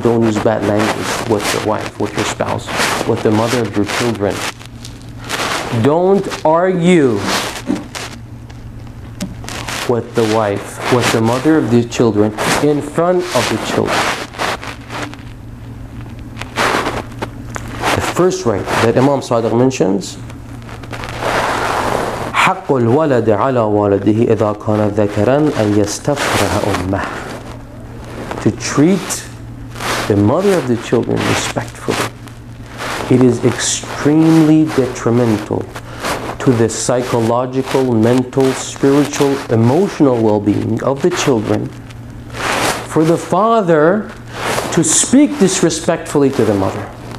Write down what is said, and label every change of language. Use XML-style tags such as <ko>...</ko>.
<en>Don't use bad language with your wife, with your spouse, with the mother of your children. Don't argue with the wife, with the mother of the children, in front of the children. The first right that Imam Sadiq mentions,</en> <ar>حق الولد على والده إذا كان ذكرا أن يستفرها أمه.</ar> <en>To treat the mother of the children respectfully. It is extremely detrimental to the psychological, mental, spiritual, emotional well-being of the children for the father to speak disrespectfully to the mother.</en>